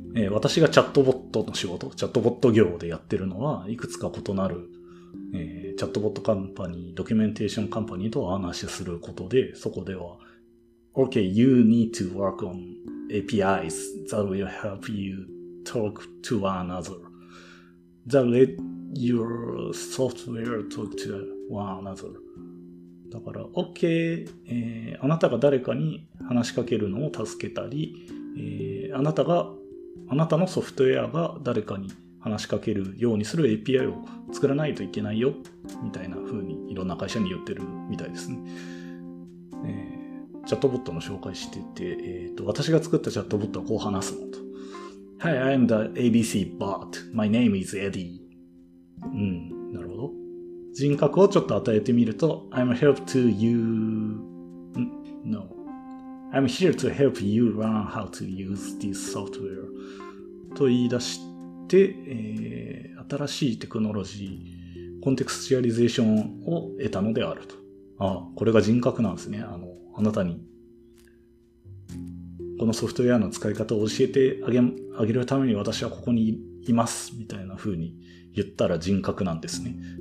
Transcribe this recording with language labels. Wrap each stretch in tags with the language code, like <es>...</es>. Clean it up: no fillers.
<ja>私がチャットボットの仕事、チャットボット業でやってるのは、いくつか異なる、チャットボットカンパニー、ドキュメンテーションカンパニーと話することで、そこでは、</ja> <en>Okay, you need to work on APIs that will help you talk to another. That let your software talk to one another.</en> <ja>だから、OK、あなたが誰かに話しかけるのを助けたり、あなたのソフトウェアが誰かに話しかけるようにする API を作らないといけないよ、みたいな風にいろんな会社に言ってるみたいですね。チャットボットの紹介してて、私が作ったチャットボットはこう話すのと。</ja> <en>Hi, I'm the ABC bot. My name is Eddie.</en> <ja>うん、なるほど。人格をちょっと与えてみると、</ja> <en>I'm here to you, no. I'm here to help you learn how to use this software.</en> <ja>と言い出して、新しいテクノロジー、コンテクスチュアリゼーションを得たのであると。あ、これが人格なんですね。あなたに、このソフトウェアの使い方を教えてあげるために私はここにいます、みたいな風に言ったら人格なんですね。</ja>